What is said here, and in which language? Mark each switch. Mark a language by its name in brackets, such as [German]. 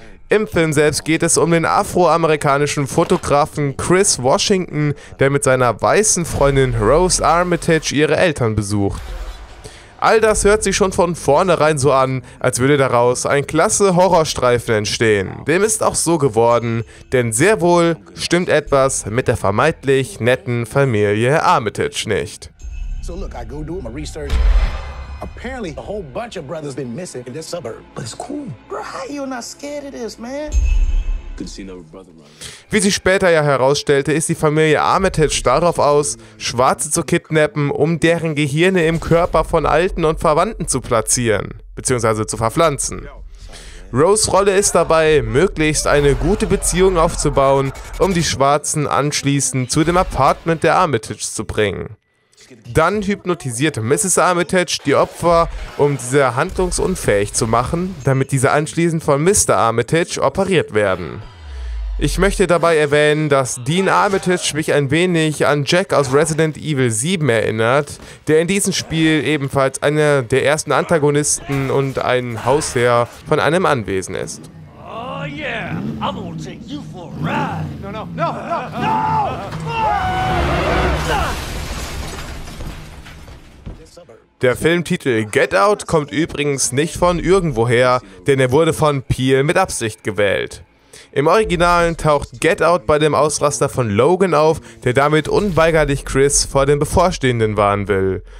[German] Im Film selbst geht es um den afroamerikanischen Fotografen Chris Washington, der mit seiner weißen Freundin Rose Armitage ihre Eltern besucht. All das hört sich schon von vornherein so an, als würde daraus ein klasse Horrorstreifen entstehen. Dem ist auch so geworden, denn sehr wohl stimmt etwas mit der vermeintlich netten Familie Armitage nicht. [English] So look, I go do my research. Apparently, a whole bunch of brothers been missing in this suburb. But it's cool. Bro, how you not scared of this, man? [German] Wie sich später ja herausstellte, ist die Familie Armitage darauf aus, Schwarze zu kidnappen, um deren Gehirne im Körper von Alten und Verwandten zu platzieren bzw. zu verpflanzen. Rose' Rolle ist dabei, möglichst eine gute Beziehung aufzubauen, um die Schwarzen anschließend zu dem Apartment der Armitage zu bringen. Dann hypnotisiert Mrs. Armitage die Opfer, um diese handlungsunfähig zu machen, damit diese anschließend von Mr. Armitage operiert werden. Ich möchte dabei erwähnen, dass Dean Armitage mich ein wenig an Jack aus Resident Evil 7 erinnert, der in diesem Spiel ebenfalls einer der ersten Antagonisten und ein Hausherr von einem Anwesen ist. [English] Oh yeah, I'm gonna take you for a ride. No. [German] Der Filmtitel Get Out kommt übrigens nicht von irgendwoher, denn er wurde von Peele mit Absicht gewählt. Im Originalen taucht Get Out bei dem Ausraster von Logan auf, der damit unweigerlich Chris vor dem Bevorstehenden warnen will.